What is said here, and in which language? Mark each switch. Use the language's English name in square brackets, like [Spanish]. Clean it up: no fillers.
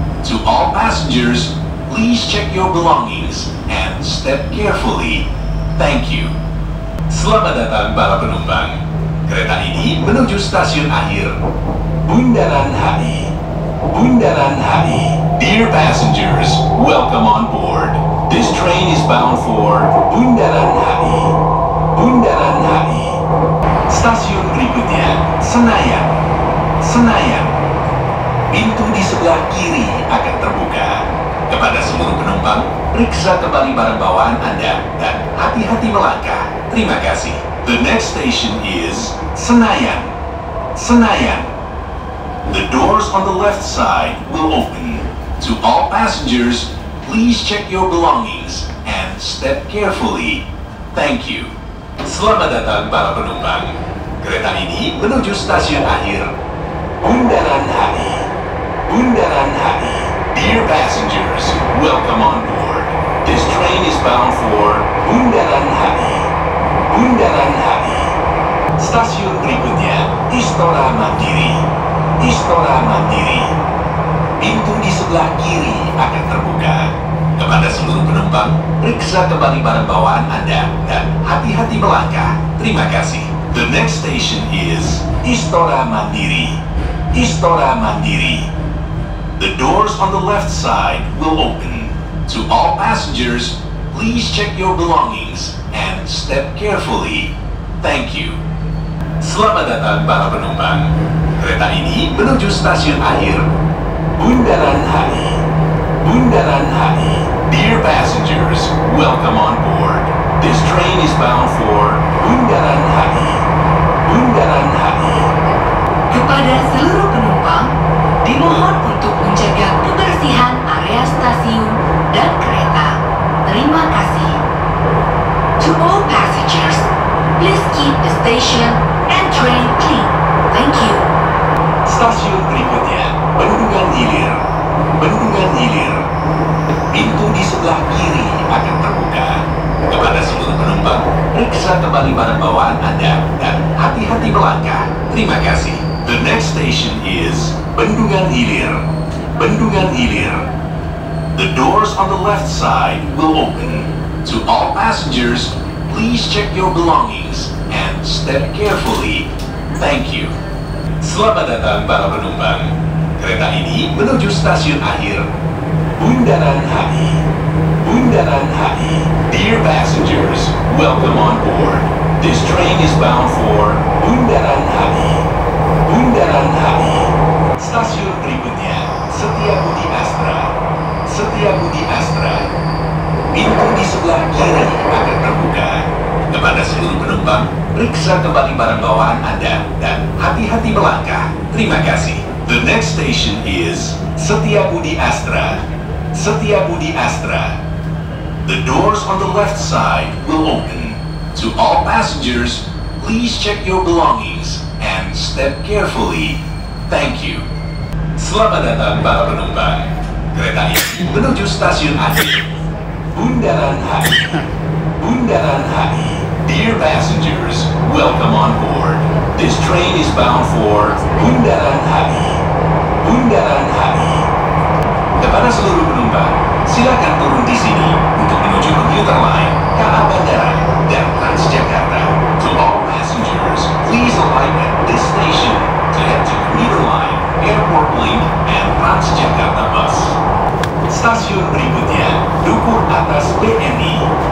[English] To all passengers, please check your belongings and step carefully. Thank you. [Indonesian] Selamat datang para penumpang. Kereta ini menuju stasiun akhir. Bundaran HI. Bundaran HI. [English] Dear passengers, welcome on board. This train is bound for Bundaran HI. Bundaran HI. [Indonesian] Stasiun berikutnya, Senayan. Senayan. Pintu di sebelah kiri akan terbuka. Kepada seluruh penumpang, periksa kembali barang bawaan Anda dan hati-hati melangkah. Terima kasih. [English] The next station is Senayan. Senayan. The doors on the left side will open. To all passengers, please check your belongings and step carefully. Thank you. [Indonesian] Selamat datang para penumpang. Kereta ini menuju stasiun akhir. [English] Undaranari. Dear passengers, welcome on board. This train is bound for Undaranari. Undaranari. [Indonesian] Stasiun berikutnya, Istora Mandiri. Istora Mandiri. Pintu di sebelah kiri akan terbuka. Kepada seluruh penumpang, periksa kembali barang bawaan Anda dan hati-hati melangkah. Terima kasih. [English] The next station is Istora Mandiri. Istora Mandiri. The doors on the left side will open. To all passengers, please check your belongings and step carefully. Thank you. [Indonesian] Selamat datang para penumpang. Kereta ini menuju stasiun akhir. [English] Bundaran HI. Bundaran HI. Dear passengers, welcome on board. This train is bound for Bundaran HI. Bundaran HI. [Indonesian] Kepada seluruh penumpang, dimohon untuk menjaga kebersihan area stasiun dan kereta. Terima kasih. [English] To all passengers, please keep the station and train clean. Thank you. [Indonesian] Stasiun berikutnya, Bendungan Hilir. Bendungan Hilir. Pintu di sebelah kiri akan terbuka. Kepada seluruh penumpang, periksa kembali barang bawaan Anda dan hati-hati melangkah. Terima kasih. [English] The next station is Bendungan Hilir. Bendungan Hilir. The doors on the left side will open. To all passengers, please check your belongings and step carefully. Thank you. [Indonesian] Selamat datang para penumpang. Kereta ini menuju stasiun akhir. [English] Bundaran HI. Bundaran HI. Dear passengers, welcome on board. This train is bound for Bundaran HI. Bundaran HI. [Indonesian] Stasiun berikutnya, Setiabudi Astra. Setiabudi Astra. Pintu di sebelah kiri akan terbuka. Kepada seluruh penumpang, periksa kembali barang bawaan Anda dan hati-hati melangkah. Terima kasih. [English] The next station is Setiabudi Astra. Setiabudi Astra. The doors on the left side will open. To all passengers, please check your belongings and step carefully. Thank you. [Indonesian] Selamat datang para penumpang. Kereta ini menuju stasiun akhir. [English] Bundaran HI. Bundaran HI. Dear passengers, welcome on board. This train is bound for Bundaran HI. Bundaran HI. [Indonesian] Kepada seluruh penumpang, silakan turun di sini untuk menuju komuter lain, KA Bandara, dan Transjakarta. [English] To all passengers, please alight at this station to head to commuter line, airport link, and Transjakarta bus. [Indonesian] Stasiun berikutnya, Dukuh Atas BNI.